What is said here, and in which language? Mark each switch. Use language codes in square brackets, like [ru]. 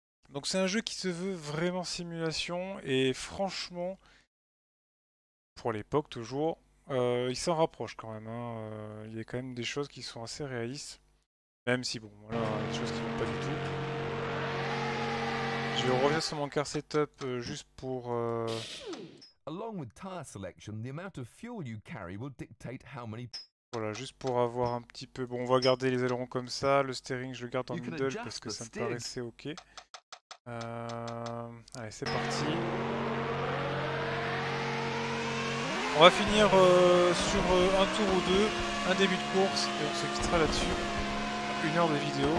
[fr] Donc c'est un jeu qui se veut vraiment simulation. Et franchement, pour l'époque toujours, il s'en rapproche quand même. Hein. Il y a quand même des choses qui sont assez réalistes. Même si bon, voilà, des choses qui ne vont pas du tout. Je reviens sur mon car setup juste pour... [en] Along with tire selection, the amount of fuel you carry will dictate how many. [fr] Voilà, juste pour avoir un petit peu. Bon, on va garder les ailerons comme ça. Le steering, je le garde en middle parce que ça me paraissait ok. Allez, c'est parti. On va finir sur un tour ou deux, un début de course, et on se quittera là-dessus. Une heure de vidéo.